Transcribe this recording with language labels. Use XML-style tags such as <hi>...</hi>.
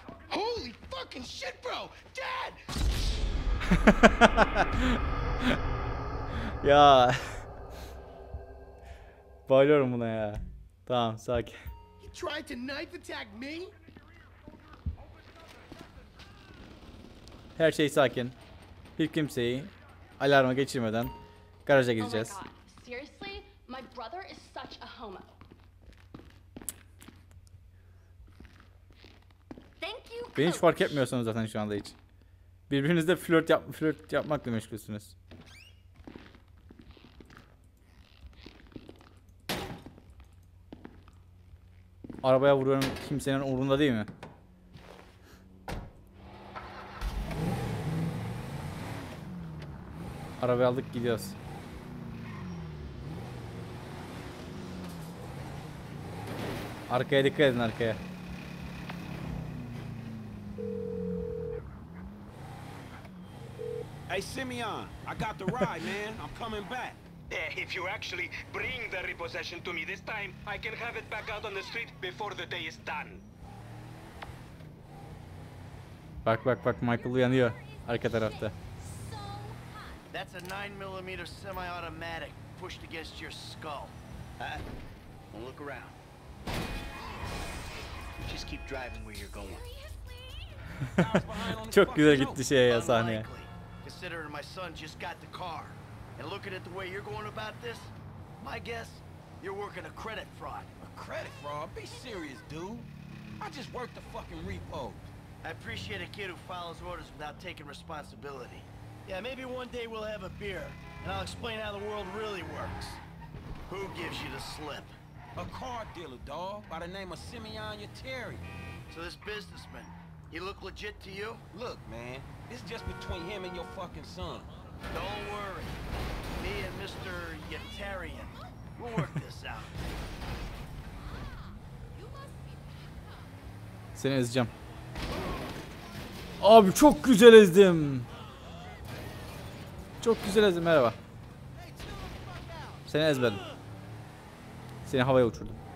<en>Holy fucking shit, bro. Dad. Ya.</en> <tr>Bayılıyorum buna ya. Tamam, sakin.</tr> <en>You tried to knife attack me?</en> <tr>Her şey sakin. Bir kimseyi alarma geçirmeden garaja gideceğiz.</tr> <en>Seriously, my brother is such a homo. Thank you.</en> <tr>Beni hiç fark etmiyorsunuz zaten şu anda hiç. Birbirinizle flört yapmakla meşgulsünüz. Arabaya vuruyorum, kimsenin umurunda değil mi? Arabayı aldık, gidiyoruz. Arkaya dikkat edin, arkaya.</tr> <en>Hey Simeon, I got the ride, man. I'm coming back. If you actually bring the repossession to me this time, I can have it back out on the street before the day is done.</en> <tr>Bak, Michael uyanıyor arka tarafta.</tr> <en>That's a 9mm semi-automatic pushed against your skull. Huh? Well, look around. Just keep driving where you're going.</en> <tr>Çok güzel gitti şey ya sahneye.</tr> <en>Considering my son just got the car. And looking at the way you're going about this, my guess, you're working a credit fraud. A credit fraud? Be serious, dude. I just worked the fucking repo. I appreciate a kid who follows orders without taking responsibility. Yeah, maybe one day we'll have a beer, and I'll explain how the world really works. Who gives you the slip? A car dealer, dawg, by the name of Simeon Yateri. So this businessman, he look legit to you? Look, man, it's just between him and your fucking son. Don't worry. Me and Mr. Yatarian, we'll work this out. You must be</en> <tr>Seni ezeceğim. Abi çok güzel ezdim. Çok güzel ezdim, merhaba. Seni ezberdim. Seni havaya uçurdum.</tr>